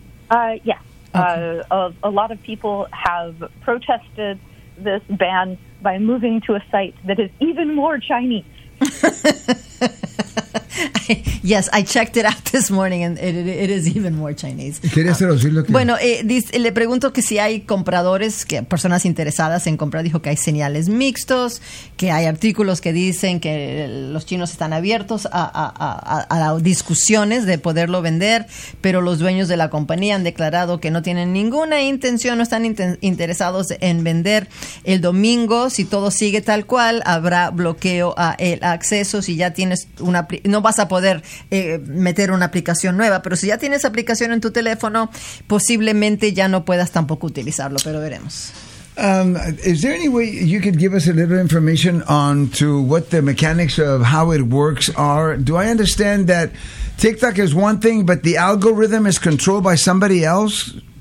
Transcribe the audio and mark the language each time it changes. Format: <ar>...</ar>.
<en>Yeah. Okay. A lot of people have protested this ban by moving to a site that is even more Chinese. Yes, I checked it out this morning and it is even more Chinese.</en> <es>Quería hacer oír lo que... Bueno, le pregunto que si hay compradores, que personas interesadas en comprar, dijo que hay señales mixtos, que hay artículos que dicen que los chinos están abiertos a discusiones de poderlo vender, pero los dueños de la compañía han declarado que no tienen ninguna intención, no están interesados en vender. El domingo, si todo sigue tal cual, habrá bloqueo a el acceso. Si ya tienes una, no vas a poder meter una aplicación nueva, pero si ya tienes aplicación en tu teléfono, posiblemente ya no puedas tampoco utilizarlo, pero veremos.</es> <en>Is there any way you could give us a little information on to what the mechanics of how it works are? Do I understand that TikTok is one thing, but the algorithm is controlled by somebody else?</en>